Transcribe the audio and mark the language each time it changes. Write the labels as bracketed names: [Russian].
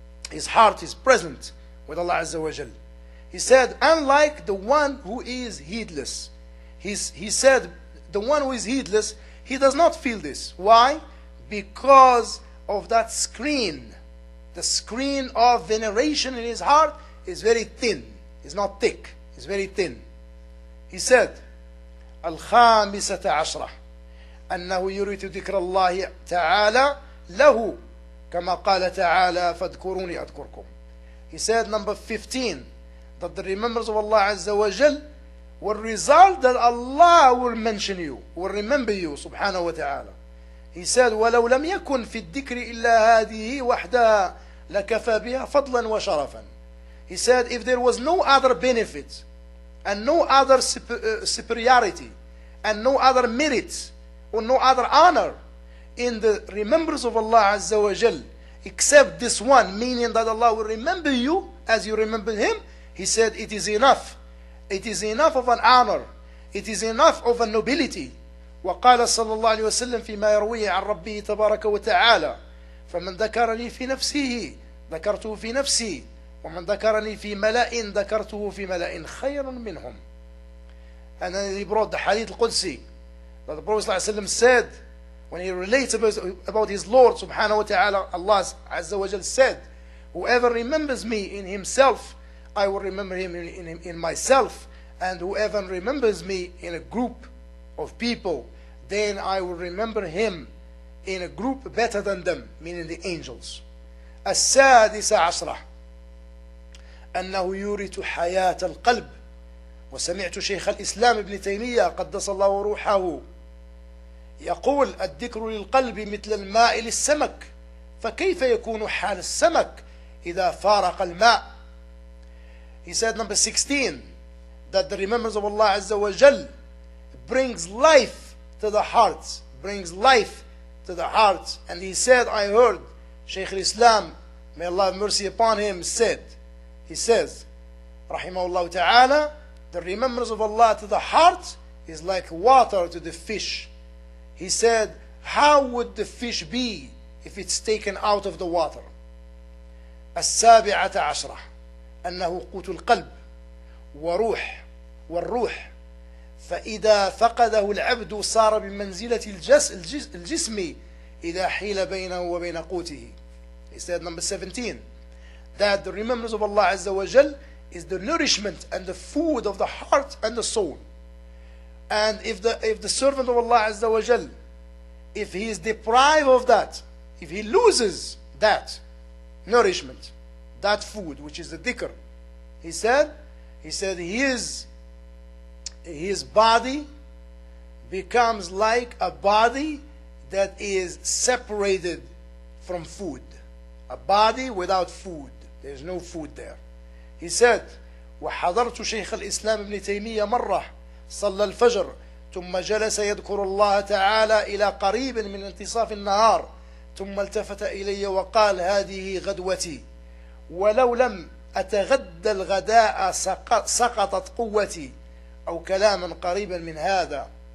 [English] His heart is present with Allah Azza wa Jal. He said, unlike the one who is heedless, he does not feel this. Why? Because of that screen. The screen of veneration in his heart is very thin, it's not thick. It's very thin. He said, [Arabic] الخامسة عشرة أنه يريد ذكر الله تعالى له كما قال تعالى فاذكروني أذكركم. [English] He said number 15 that the remembrance of Allah عز وجل will result that Allah will mention you, will remember you سبحانه وتعالى. He said, [Arabic] ولو لم يكن في الذكر إلا هذه وحدها لكفى بها فضلا وشرفا. [English] He said, if there was no other benefit and no other superiority and no other merit or no other honor in the remembrance of Allah Azza wa Jal except this one, meaning that Allah will remember you as you remember him, he said, it is enough. It is enough of an honor. It is enough of a nobility. [Arabic] وقال صلى الله عليه وسلم فيما يرويه عن ربه تبارك وتعالى فمن ذكرني في نفسه ذكرته في نفسي ومن ذكرني في ملأ ذكرته في ملأ خير منهم. [English] And he brought the hadith القدسي that the Prophet صلى الله عليه وسلم said when he relates about his Lord subhanahu wa ta'ala, Allah Azza wa Jal said, whoever remembers me in himself, I will remember him in myself, and whoever remembers me in a group of people, then I will remember him in a group better than them, meaning the angels. [Arabic] السادسة عشرة أنه يورث حياة القلب. وسمعت شيخ الإسلام ابن تيمية قدس الله روحه يقول الذكر للقلب مثل الماء للسمك فكيف يكون حال السمك إذا فارق الماء. [English] He said number 16 that the remembrance of Allah عز وجل brings life to the hearts, brings life to the hearts. And he said, I heard Shaykh al-Islam, may Allah have mercy upon him, said, he says, Rahimahullah ta'ala, the remembrance of Allah to the heart is like water to the fish. He said, how would the fish be if it's taken out of the water? [Arabic] السابعة عشرة أنه قوت القلب وروح والروح فإذا فقده العبد صار بمنزلة الجسم إذا حيل بينه وبين قوته. [English] He said number 17, that the remembrance of Allah Azza wa Jal is the nourishment and the food of the heart and the soul. And if the servant of Allah Azza wa Jal, if he is deprived of that, if he loses that nourishment, that food, which is the dhikr, he said his body becomes like a body that is separated from food, a body without food. There's no food there. He said, [Arabic] وحضرت شيخ الإسلام ابن تيمية مرة صلى الفجر ثم جلس يذكر الله تعالى إلى قريب من انتصاف النهار ثم التفت إلي وقال هذه غدوتي ولو لم أتغدى الغداء سقطت قوتي أو كلاما قريبا من هذا.